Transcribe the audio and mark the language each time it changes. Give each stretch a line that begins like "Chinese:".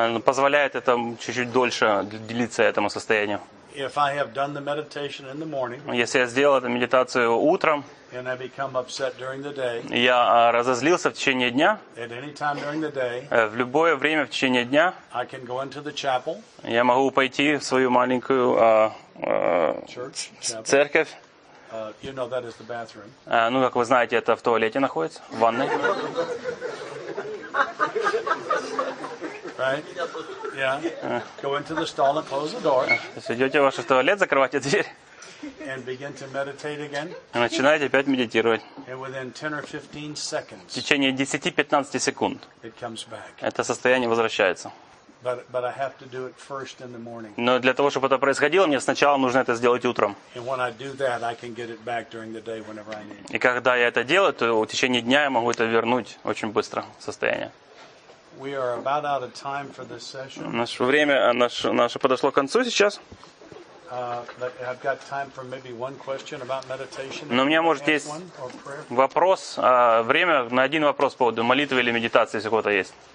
Russian: Позволяет это чуть-чуть дольше длиться этому состоянию.
English: if I have done the meditation in the morning,
Russian: если я сделал эту медитацию утром,
English: and I become upset during the day,
Russian: я разозлился в течение дня,
English: at any time during the day,
Russian: в любое время в течение дня,
English: I can go into the chapel,
Russian: я могу пойти в свою маленькую
English: church,
Russian: церковь.
English: You know that is the bathroom.
Russian: Ну, как вы знаете, это в туалете находится, в ванной.
English: Right? Yeah. Go into the stall and close the door.
Russian: Идете в ваш туалет, закрывайте дверь.
English: And begin to meditate again.
Russian: Начинаете опять медитировать.
English: And within 10 or 15 seconds.
Russian: В течение 10-15 секунд.
English: It comes back.
Russian: Это состояние возвращается.
English: But I have to do it first in the morning.
Russian: Но для того, чтобы это происходило, мне сначала нужно это сделать утром.
English: And when I do that, I can get it back during the day whenever I need.
Russian: И когда я это делаю, то в течение дня я могу это вернуть очень быстро в состояние.
English: We are about out of time for this session.
Russian: Наше время, наше подошло к концу сейчас.
English: I've got time for maybe one question about meditation.
Russian: Но у меня может есть вопрос, время на один вопрос по поводу молитвы или медитации, если у кого-то есть.